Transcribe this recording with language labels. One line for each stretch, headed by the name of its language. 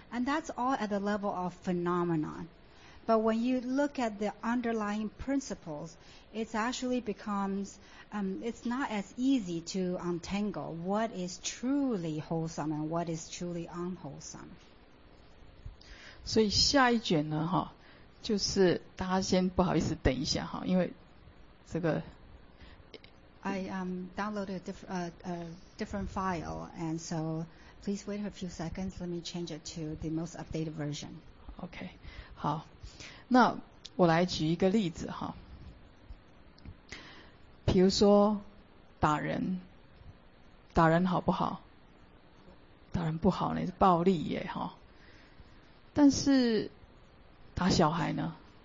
English: And that's all at the level of phenomenon. But when you look at the underlying principles, it actually becomes, it's not as easy to untangle what is truly wholesome and what is truly unwholesome.
Chinese: 所以下一卷呢，哈，就是大家先不好意思等一下哈，因为这个。
English: I downloaded a different file, and so please wait a few seconds. Let me change it to the most updated version. Okay.
Chinese: 好，那我来举一个例子哈，比如说打人，打人好不好？打人不好呢，是暴力耶哈。但是打小孩呢？